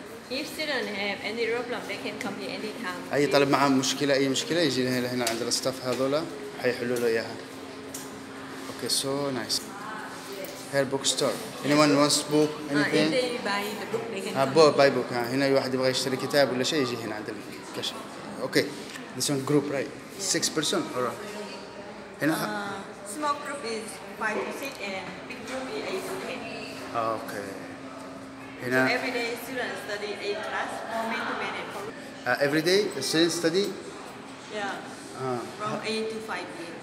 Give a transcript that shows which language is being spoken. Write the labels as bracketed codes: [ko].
[en] If student have any problem, they can come here anytime. [ar] أي طالب معه مشكلة، أي مشكلة يجي هنا، هنا عند الستاف هذولا حيحلوا له إياها. [en] Okay, so nice. Her bookstore. Anyone wants book? Anything? If they buy the book, they can. [ar] ها، هنا واحد يبغى يشتري كتاب ولا شيء يجي هنا عند الكاشة. [en] Okay. This one group, right? Yeah. Six person, all right. هنا. Small group is 5 to 6 and big group is 8 to 10. Okay. هنا so every day students study 8 class from 8 to 9 o'clock. Every day students study? Yeah. From 8 to 5 p.m.